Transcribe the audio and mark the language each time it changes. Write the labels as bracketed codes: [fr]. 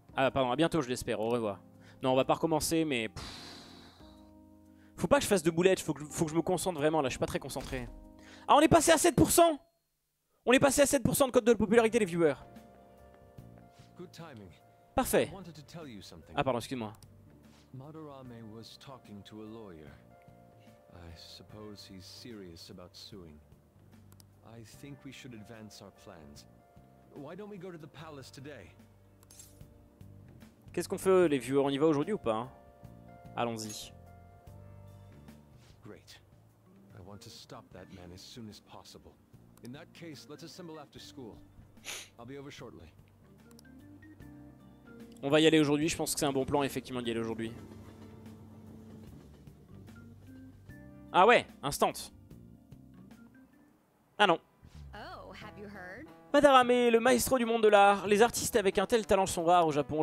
[fr] Ah, pardon, à bientôt, je l'espère, au revoir. Non, on va pas recommencer, mais... Faut pas que je fasse de boulettes, faut que je me concentre vraiment, là je suis pas très concentré. Ah, on est passé à 7%. On est passé à 7% de code de popularité des viewers. Parfait. Ah pardon, excuse-moi. [en] Madarame was talking to a lawyer. I suppose he's serious about suing. I think we should advance our plans. Why don't we go to the palace today? [fr] Qu'est-ce qu'on fait les viewers, on y va aujourd'hui ou pas? Allons-y. [en] To stop that man as soon as possible. In that case, let's assemble after school. I'll be over shortly. [fr] On va y aller aujourd'hui, je pense que c'est un bon plan effectivement d'y aller aujourd'hui. Ah ouais, instant. Ah non. [en] Oh, have you heard? [fr] Madarame, le maestro du monde de l'art. Les artistes avec un tel talent sont rares au Japon.